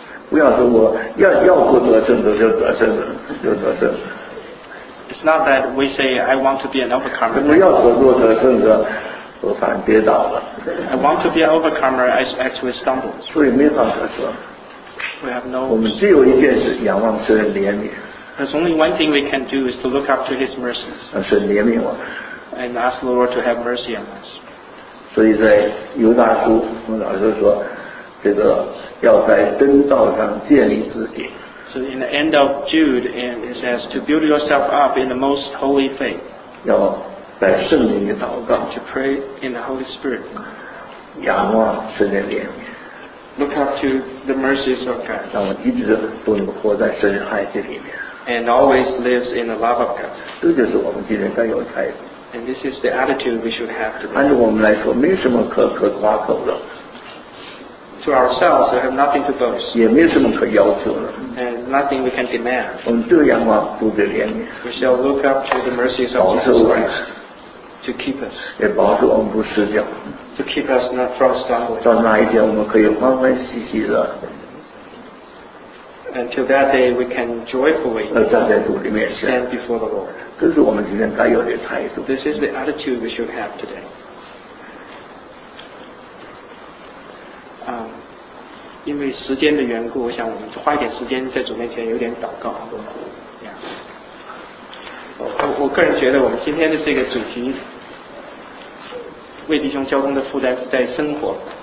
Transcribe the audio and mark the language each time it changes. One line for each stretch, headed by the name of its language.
Chinese: 不要说我要不得胜的就得胜的就得胜。
English: It's not that we say I want to be an overcomer.
Chinese: 我要得胜的，我反跌倒了。
English: I want to be an overcomer. I actually stumbled.
Chinese: 所以没法得胜。
English: We have no.
Chinese: 我们只有一件事，仰望神的怜悯。
English: There's only one thing we can do is to look up to His mercies.
Chinese: 神怜悯我。
English: And ask the Lord to have mercy on us.
Chinese: 所以在犹大书，我老是说这个。要在真道上建立自己。
English: So in the end of Jude, and it says to build yourself up in the most holy faith.
Chinese: 要在圣灵里祷告。
English: To pray in the Holy Spirit.
Chinese: 仰望神的怜悯。
English: Look up to the mercies of God.
Chinese: 让我一直都能活在神的爱这里面。
English: And always lives in the love of God.
Chinese: 这就是我们今天该有的态度。
English: And this is the attitude we should have today.
Chinese: 按照我们来说，没什么可夸口的。
English: To ourselves, we have nothing to boast.
Chinese: 也没什么可要求的。
English: And nothing we can demand.
Chinese: 我们都仰望主的怜悯。
English: We shall look up to the mercies of Jesus Christ to keep us.
Chinese: 也保守我们不失脚。
English: To keep us not from stumbling.
Chinese: 到那一天，我们可以欢欢喜喜的。
English: Until that day, we can joyfully stand
Chinese: 在主的面前。
English: Stand before the Lord.
Chinese: 这是我们今天该有的态度。
English: This is the attitude we should have today.
Chinese: 因为时间的缘故，我想我们花一点时间在主面前有点祷告。我个人觉得我们今天的这个主题为弟兄交通的负担是在生活。